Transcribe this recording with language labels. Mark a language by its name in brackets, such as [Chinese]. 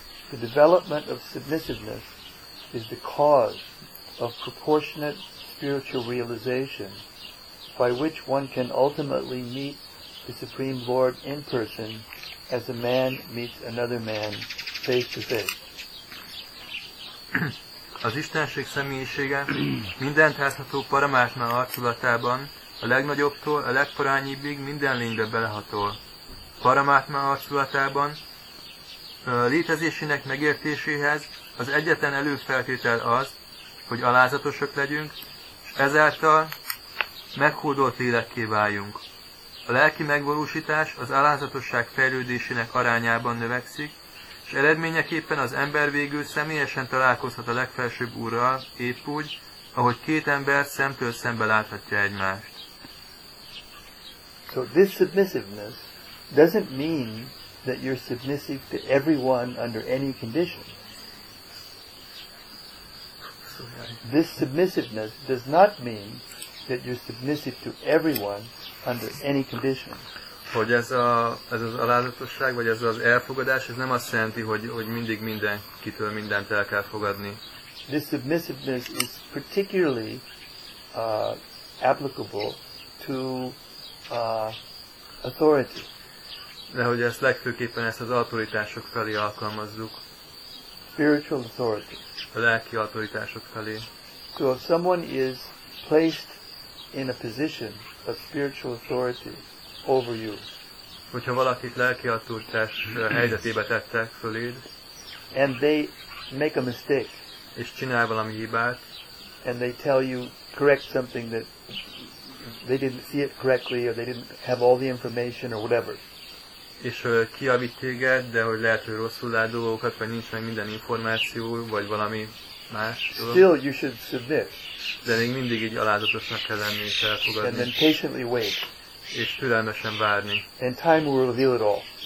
[English] The development of submissiveness is the cause of proportionate spiritual realization by which one can ultimately meet the Supreme Lord in person as a man meets another man face to face. [Hungarian] Az Istenség személyisége mindent átható Paramatma arculatában a legnagyobbtól a legparányibbig minden lénybe belehatol. Paramatma arculatában létezésének megértéséhez az egyetlen előfeltétel az, hogy alázatosak legyünk, és ezáltal meghódolt lélekké váljunk. A lelki megvalósítás az alázatosság fejlődésének arányában növekszik, és eredményeképpen az ember végül személyesen találkozhat a legfelsőbb úrral, épp úgy, ahogy két ember szemtől szembe láthatja egymást. [English] So this submissiveness doesn't mean that you're submissive to everyone under any condition. This submissiveness does not mean that you're submissive to everyone under any condition. [Hungarian] Hogy ez az alázatosság, vagy ez az elfogadás, ez nem azt jelenti, hogy mindig mindenkitől mindent el kell fogadni. [English] This submissiveness is particularly applicable to authority. [Hungarian] De hogy ezt legfőképpen ezt az autoritások felé alkalmazzuk. [English] Spiritual authority. [Hungarian] A lelki autoritások felé. [English] So if someone is placed in a position of spiritual authority over you. [Hungarian] Hogyha valakit lelki autoritás helyzetébe tettek föléd. [English] And they make a mistake. [Hungarian] És csinál valami hibát. [English] And they tell you correct something that they didn't see it correctly or they didn't have all the information or whatever. [Hungarian] És kijavít téged, de hogy lehet, hogy rosszul lát dolgokat, vagy nincs meg minden információ, vagy valami más. [English] Still you should submit. [Hungarian] De még mindig így alázatosnak kell lenni és elfogadni. [English] And then patiently wait. [Hungarian] És türelmesen várni. [English] And time will reveal it all.